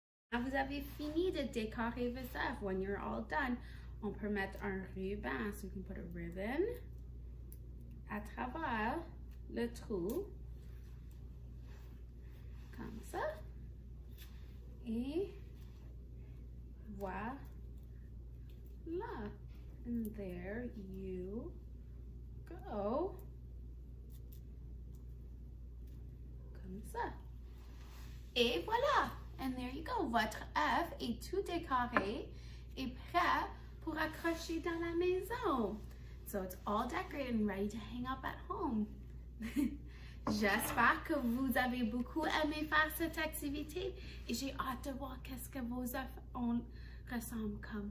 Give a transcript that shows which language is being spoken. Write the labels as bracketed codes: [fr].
[fr] Quand vous avez fini de décorer vos œufs, [en] when you're all done, [fr] on peut mettre un ruban, [en] so you can put a ribbon [fr] à travers le trou, comme ça, et voilà, [en] and there you go, [fr] comme ça, et voilà. [en] And there you go. [fr] Votre œuf est tout décoré et prêt pour accrocher dans la maison. [en] So it's all decorated and ready to hang up at home. [fr] J'espère que vous avez beaucoup aimé faire cette activité et j'ai hâte de voir qu'est-ce que vos œufs ont ressemblent comme.